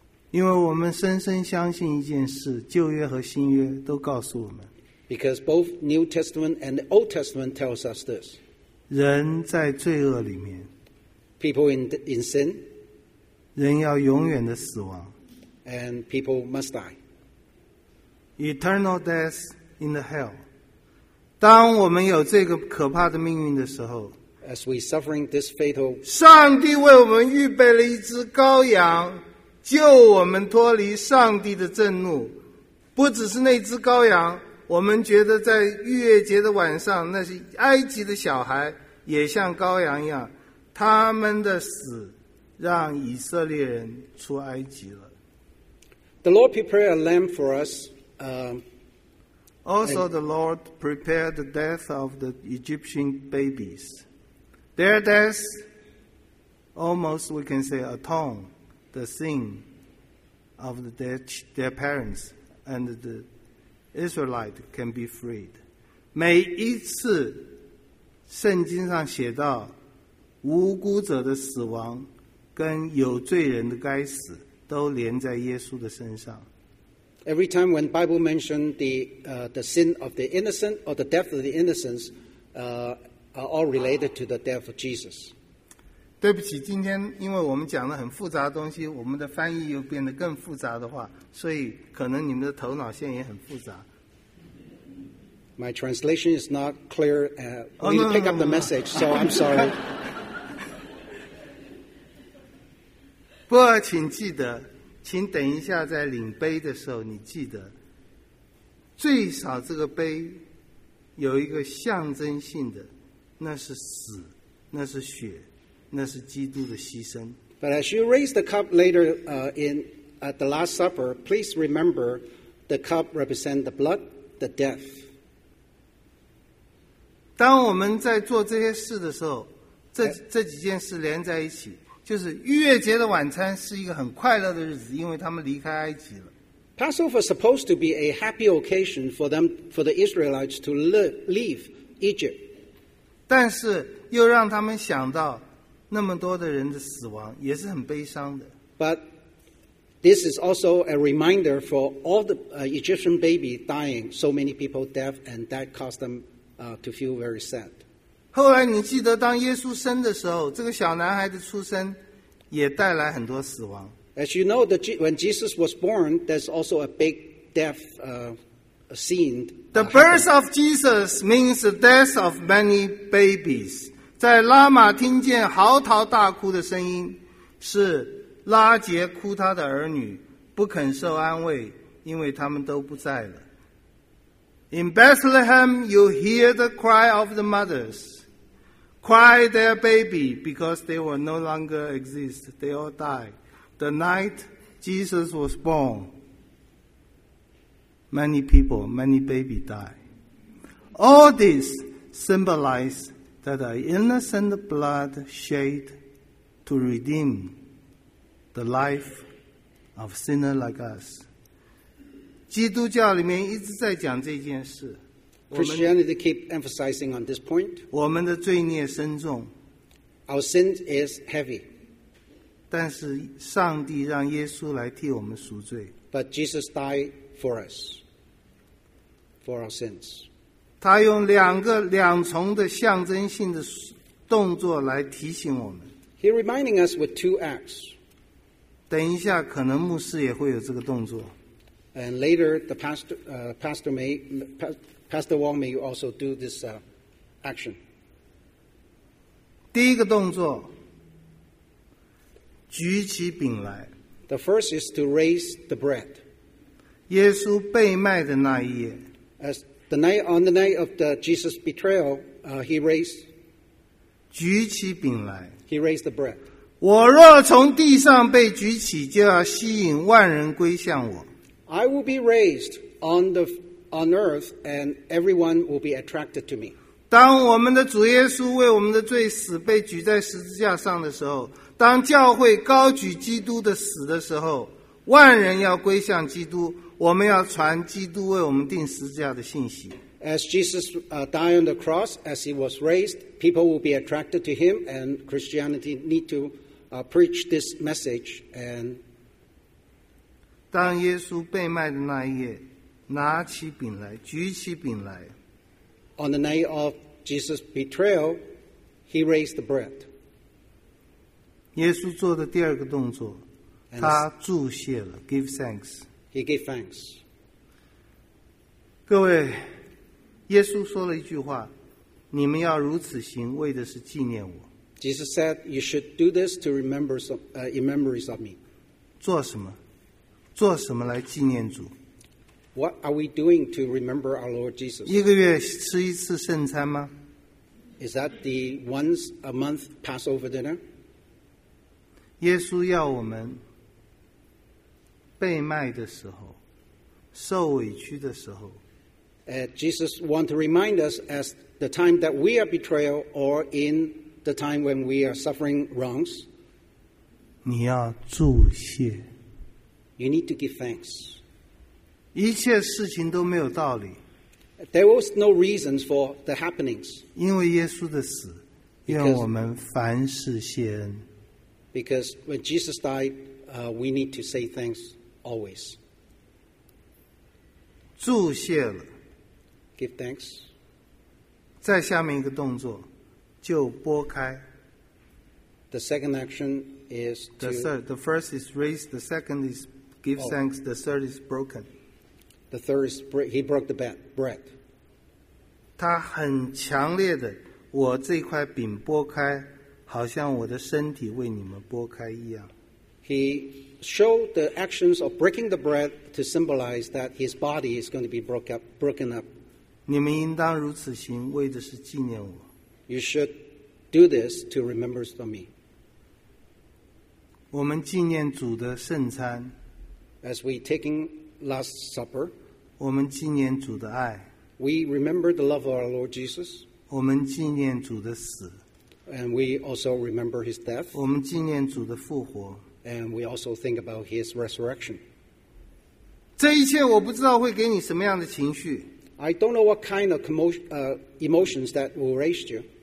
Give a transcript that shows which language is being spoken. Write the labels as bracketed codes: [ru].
[zh] 因为我们深深相信一件事，旧约和新约都告诉我们。 [en] Because both New Testament and the Old Testament tells us this. [zh] 人在罪恶里面。 [en] People in sin. [zh] 人要永远的死亡。 [en] And people must die. Eternal death in the hell. [zh] 当我们有这个可怕的命运的时候 [en] As we suffering this fatal, [zh] 上帝为我们预备了一只羔羊，救我们脱离上帝的震怒。不只是那只羔羊，我们觉得在逾越节的晚上，那些埃及的小孩也像羔羊一样，他们的死让以色列人出埃及了。 [en] The Lord prepared a lamb for us. Also, the Lord prepared the death of the Egyptian babies. Their death, almost we can say, atone the sin of their parents, and the Israelite can be freed. [zh] 每一次圣经上写到无辜者的死亡跟有罪人的该死都连在耶稣的身上。 [en] Every time when Bible mentioned the sin of the innocent or the death of the innocent, are all related to the death of Jesus. [zh] 对不起，今天因为我们讲了很复杂的东西，我们的翻译又变得更复杂的话，所以可能你们的头脑线也很复杂。 [en] My translation is not clear. When you pick up the message, so I'm sorry. [zh] 不，请记得，请等一下在领杯的时候，你记得最少这个杯有一个象征性的。那是死，那是血，那是基督的牺牲。 [en] But as you raise the cup later at the Last Supper, please remember the cup represents the blood, the death. [zh] 当我们在做这些事的时候，这几件事连在一起，就是逾越节的晚餐是一个很快乐的日子，因为他们离开埃及了。 [en] Passover is supposed to be a happy occasion for the Israelites to leave Egypt. [zh] 但是又让他们想到那么多的人的死亡也是很悲伤的。 [en] But this is also a reminder for all the Egyptian babies dying. So many people death, and that caused them to feel very sad. [zh] 后来你记得当耶稣生的时候，这个小男孩的出生也带来很多死亡。 [en] As you know, when Jesus was born, there's also a big death scene. The birth of Jesus means the death of many babies. [zh] 在拉玛听见嚎啕大哭的声音，是拉杰哭他的儿女，不肯受安慰，因为他们都不在了。 [en] In Bethlehem, you hear the cry of the mothers. Cry their baby, because they will no longer exist. They all die. The night Jesus was born, many people, many babies die. All this symbolizes that the innocent blood shed to redeem the life of sinners like us. [zh] 基督教里面一直在讲这件事。 [en] Christianity keep emphasizing on this point. [zh] 我们的罪孽深重。 [en] Our sin is heavy. [zh] 但是上帝让耶稣来替我们赎罪。 [en] But Jesus died for us, for our sins. [zh] 他用两重的象征性的动作来提醒我们。 [en] He reminding us with two acts. [zh] 等一下，可能牧师也会有这个动作。 [en] And later, the Pastor Wong may also do this action. [zh] 第一个动作，举起饼来。 [en] The first is to raise the bread. [zh] 耶稣被卖的那一夜。 [en] As the night on the night of the Jesus betrayal, he raised. [zh] 举起饼来。 [en] He raised the bread. [zh] 我若从地上被举起，就要吸引万人归向我。 [en] I will be raised on earth, and everyone will be attracted to me. [zh] 当我们的主耶稣为我们的罪死，被举在十字架上的时候，当教会高举基督的死的时候，万人要归向基督。我们要传基督为我们钉十字架的信息。 [en] As Jesus died on the cross, as he was raised, people will be attracted to him, and Christianity need to preach this message. And [zh] 当耶稣被卖的那一夜，拿起饼来，举起饼来。 [en] On the night of Jesus' betrayal, he raised the bread. [zh] 耶稣做的第二个动作，他祝谢了 ， [en] give thanks. He gave thanks. [zh] 各位。耶稣说了一句话，你们要如此行，为的是纪念我。 [en] Jesus said, you should do this to remember some, in memories of me. [zh] 做什么？做什么来纪念主？ [en] What are we doing to remember our Lord Jesus? [zh] 一个月吃一次圣餐吗？ [en] Is that the once a month Passover dinner? [zh] 耶稣要我们被卖的时候，受委屈的时候， [en] Jesus wants to remind us as the time that we are betrayal or in the time when we are suffering wrongs. [zh] 你要祝谢。 [en] You need to give thanks. [zh] 一切事情都没有道理。 [en] There was no reasons for the happenings. [zh] 因为耶稣的死，愿我们凡事谢恩。 [en] Because when Jesus died, we need to say thanks always. [zh] 祝谢了。 [en] Give thanks. [zh] 再下面一个动作，就拨开。 [en] The second action is to. The first is raised. The second is give thanks. The third is broken. The third is he broke the bread. [zh] 他很强烈的，我这块饼拨开，好像我的身体为你们拨开一样。 [en] He showed the actions of breaking the bread to symbolize that his body is going to be broken up. [zh] 你们应当如此行，为的是纪念我。 [en] You should do this to remember me. [zh] 我们纪念主的圣餐。 [en] As we taking Last Supper. [zh] 我们纪念主的爱。 [en] We remember the love of our Lord Jesus. [zh] 我们纪念主的死。 [en] And we also remember his death. [zh] 我们纪念主的复活。 [en] And we also think about his resurrection. [zh] 这一切我不知道会给你什么样的情绪。 [en] I don't know what kind of emotions that will raise you.